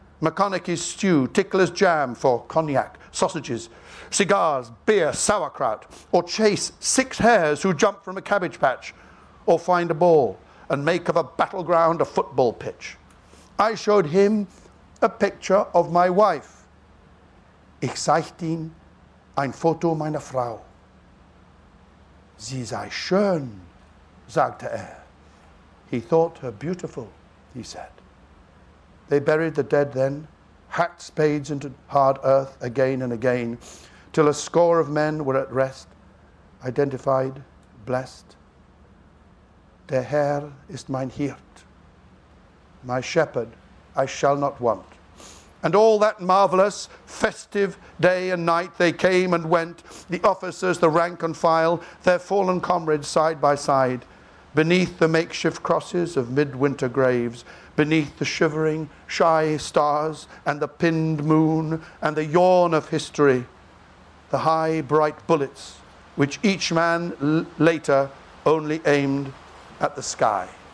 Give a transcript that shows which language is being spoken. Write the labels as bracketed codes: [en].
[en] McConaughey's stew, Tickler's jam for cognac, sausages, cigars, beer, sauerkraut, or chase six hares who jump from a cabbage patch, or find a ball and make of a battleground a football pitch. I showed him a picture of my wife. [de] Ich zeigte ihm ein Foto meiner Frau. Sie sei schön, sagte er. [en] He thought her beautiful, he said. They buried the dead then, hacked spades into hard earth again and again, till a score of men were at rest, identified, blessed. [de] Der Herr ist mein Hirt, [en] my shepherd I shall not want. And all that marvellous, festive day and night, they came and went, the officers, the rank and file, their fallen comrades side by side, beneath the makeshift crosses of midwinter graves, beneath the shivering, shy stars and the pinned moon and the yawn of history, the high, bright bullets which each man later only aimed at the sky.